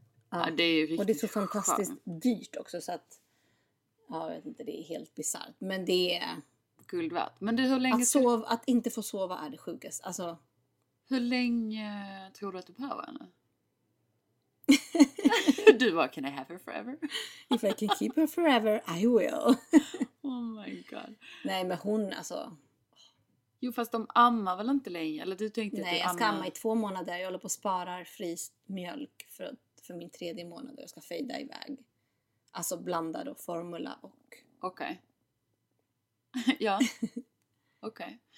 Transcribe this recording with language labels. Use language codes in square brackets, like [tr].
[sv] Ja, det är ju riktigt. Och det är så fantastiskt dyrt också. Så att, ja, jag vet inte, det är helt bisarrt. Men det är. Guldvärt. Men du, hur länge. Att inte få sova är det sjukast. Alltså. Hur länge tror du att du behöver henne? Du bara, [en] can I have her forever? If I can keep her forever, I will. Oh my god. [sv] Nej, men hon alltså. Jo, fast de ammar väl inte längre? Eller du tänkte. Nej, jag ska amma i 2 månader. Jag håller på att spara fryst mjölk för min 3:e månad. Jag ska fejda iväg. Alltså blanda då formula och. Okej. Okay. Ja. Okej. Okay.